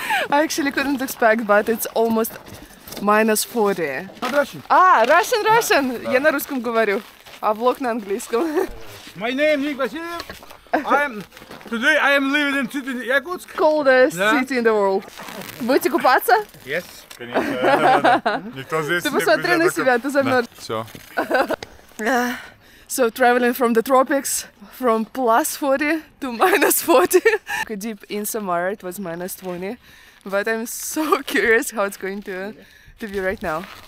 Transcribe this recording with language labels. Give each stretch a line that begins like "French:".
English: I actually couldn't expect, but it's almost minus 40. Russian.
Russian: Да. Я на русском говорю, а влог на английском.
English: My name is Vasil. Today I am living in city Yakutsk. Coldest city in the world.
Russian: Будете купаться?
English: Yes.
Russian: Никто здесь ты посмотри на себя, ты замерз. Все.
English: So traveling from the tropics, from plus 40 to minus 40. Deep in summer it was minus 20. But I'm so curious how it's going to be right now.